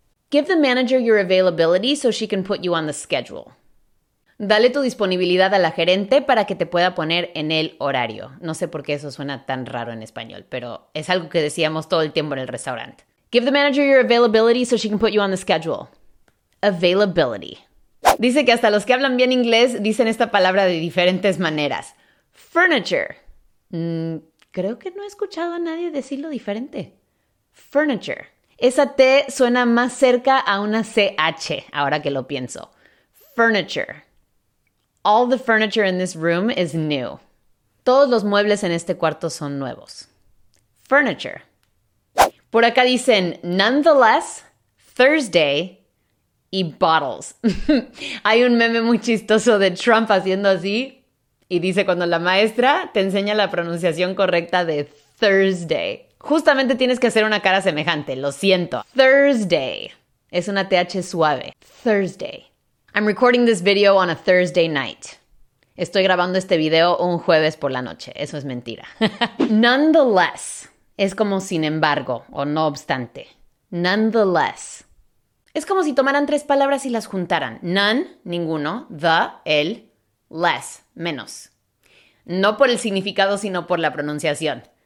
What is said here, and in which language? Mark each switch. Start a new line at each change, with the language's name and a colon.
English: Give the manager your availability so she can put you on the schedule.
Spanish: Dale tu disponibilidad a la gerente para que te pueda poner en el horario. No sé por qué eso suena tan raro en español, pero es algo que decíamos todo el tiempo en el restaurante.
English: Give the manager your availability so she can put you on the schedule. Availability.
Spanish: Dice que hasta los que hablan bien inglés dicen esta palabra de diferentes maneras. Furniture. Creo que no he escuchado a nadie decirlo diferente. Furniture. Esa T suena más cerca a una CH, ahora que lo pienso.
English: Furniture. All the furniture in this room is new.
Spanish: Todos los muebles en este cuarto son nuevos. Furniture. Por acá dicen, nonetheless, Thursday, y bottles. Hay un meme muy chistoso de Trump haciendo así, y dice, cuando la maestra te enseña la pronunciación correcta de Thursday. Justamente tienes que hacer una cara semejante, lo siento. Thursday. Es una TH suave. Thursday.
English: I'm recording this video on a Thursday night.
Spanish: Estoy grabando este video un jueves por la noche. Eso es mentira. Nonetheless. Es como sin embargo o no obstante.
English: Nonetheless.
Spanish: Es como si tomaran tres palabras y las juntaran. None, ninguno. The, el. Less, menos. No por el significado, sino por la pronunciación.